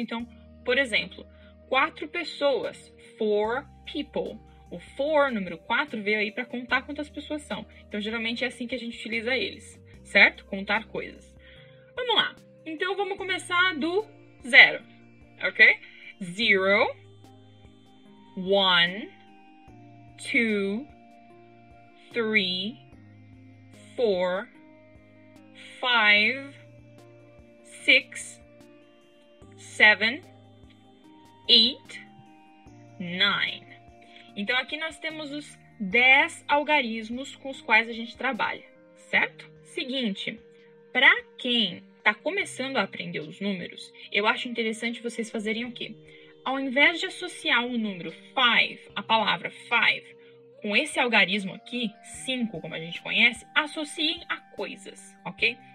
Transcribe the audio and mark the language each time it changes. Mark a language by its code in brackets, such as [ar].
[pt] Então, por exemplo, quatro pessoas, [en] four people. [pt] O for, número 4, veio aí para contar quantas pessoas são. Então, geralmente é assim que a gente utiliza eles, certo? Contar coisas. Vamos lá. Então, vamos começar do zero, ok? [en] Zero, one, two, three, four, five, six, seven, eight, nine. [pt] Então, aqui nós temos os 10 algarismos com os quais a gente trabalha, certo? Seguinte, para quem está começando a aprender os números, eu acho interessante vocês fazerem o quê? Ao invés de associar o número 5, a palavra 5, com esse algarismo aqui, 5, como a gente conhece, associem a coisas, ok?